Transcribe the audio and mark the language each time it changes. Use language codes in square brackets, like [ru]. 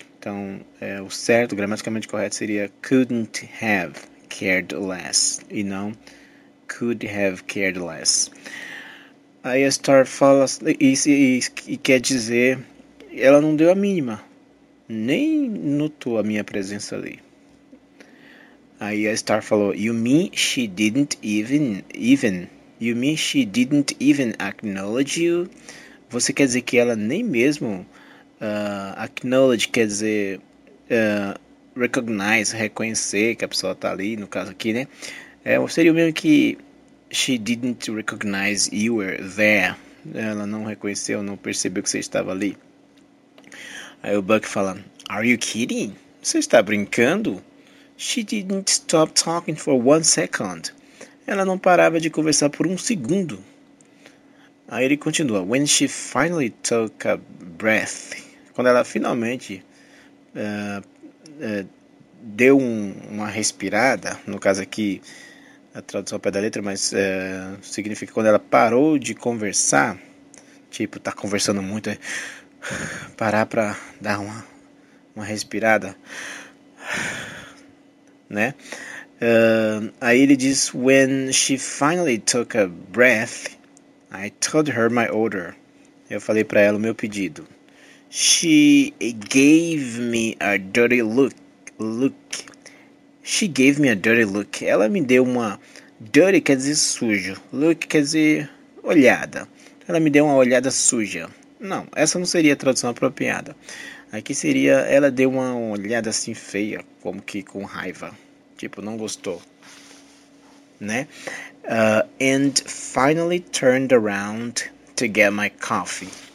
[pt] Então o certo, gramaticalmente correto seria [en] couldn't have cared less [pt] e não [en] could have cared less. [pt] Aí a Star fala e quer dizer, ela não deu a mínima, nem notou a minha presença ali. Aí a Star falou, [en] you mean she didn't even, you mean she didn't even acknowledge you? [pt] Você quer dizer que ela nem mesmo acknowledge, quer dizer recognize, reconhecer que a pessoa tá ali, no caso aqui, né? [en] Seria o mesmo que she didn't recognize you were there. [pt] Ela não reconheceu, não percebeu que você estava ali. Aí o Buck fala, [en] are you kidding? [pt] Você está brincando? [en] She didn't stop talking for one second. [pt] Ela não parava de conversar por um segundo. Aí ele continua, [en] when she finally took a breath. [pt] Quando ela finalmente deu uma respirada, no caso aqui. A tradução ao pé da letra, mas significa quando ela parou de conversar, tipo, tá conversando muito, parar pra dar uma respirada, né? Aí ele diz, [en] when she finally took a breath, I told her my order. [pt] Eu falei pra ela o meu pedido. [en] She gave me a dirty look. Look. She gave me a dirty look. [pt] Ela me deu uma. Dirty quer dizer sujo. Look quer dizer olhada. Ela me deu uma olhada suja. Não, essa não seria a tradução apropriada. Aqui seria, ela deu uma olhada assim feia, como que com raiva. Tipo, não gostou. Né? [en] And finally turned around to get my coffee.